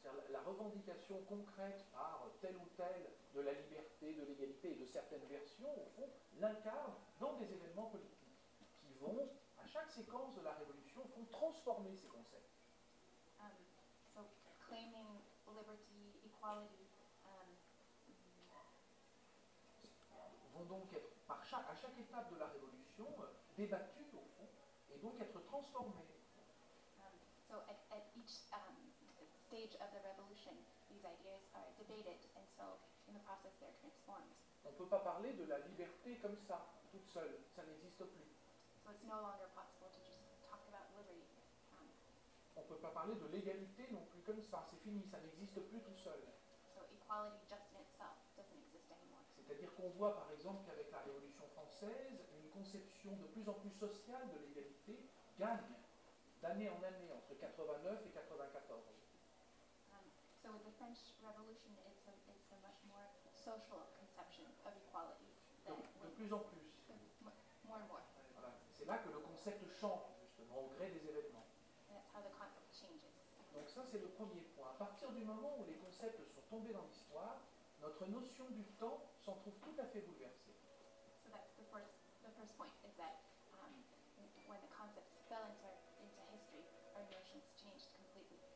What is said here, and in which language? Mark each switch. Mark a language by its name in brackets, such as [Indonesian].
[French] La revendication concrète par tel ou tel de la liberté, de l'égalité et de certaines versions, au fond, l'incarne dans des événements politiques qui vont, à chaque séquence de la Révolution, vont transformer ces concepts. [English] So, claiming liberty, equality, [French] vont donc être, à chaque étape de la Révolution, débattus, au fond, et donc être transformés. [English] So, at each stage of the revolution, these ideas are debated, and so in the process they're transformed. [French] On peut pas parler de la liberté comme ça, toute seule, ça n'existe plus. [English] So it's no longer possible to just talk about liberty. [French] On peut pas parler de l'égalité non plus comme ça, c'est fini, ça n'existe plus tout seul. [English] So equality just in itself doesn't exist anymore. [French] C'est-à-dire qu'on voit par exemple qu'avec la Révolution française, une conception de plus en plus sociale de l'égalité gagne d'année en année entre 89 et 94. [English] So with the French Revolution, it's a much more social conception of equality. [French] De plus en plus. [English] More and more. [French] Voilà. C'est là que le concept change, justement, au gré des événements. [English] That's how the concept changes. [French] Donc ça, c'est le premier point. À partir du moment où les concepts sont tombés dans l'histoire, notre notion du temps s'en trouve tout à fait bouleversée. [English] So that's the first point, is that when the concepts fell into history, our notions changed completely.